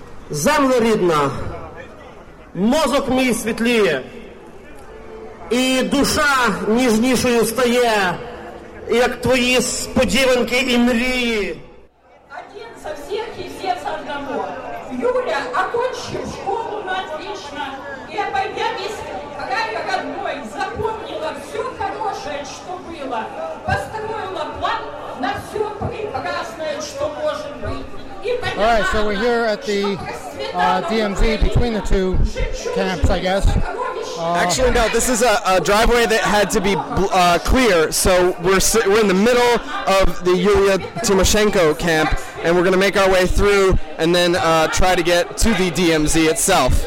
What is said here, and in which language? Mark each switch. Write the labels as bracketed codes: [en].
[uk] Земля рідна, мозок мій світліє, і душа ніжнішою стає, як твої сподіванки і мрії. [ru] Один со всех и все со одного. Юля, окончив школу на отлично, и обойдя весь край, как одной, запомнила все хорошее, что было, построила план на все прекрасное, что может быть. [en] All right, so we're here at the DMZ between the two camps, I guess. Actually, no, this is a driveway that had to be clear, so we're in the middle of the Yulia Tymoshenko camp, and we're going to make our way through and then try to get to the DMZ itself.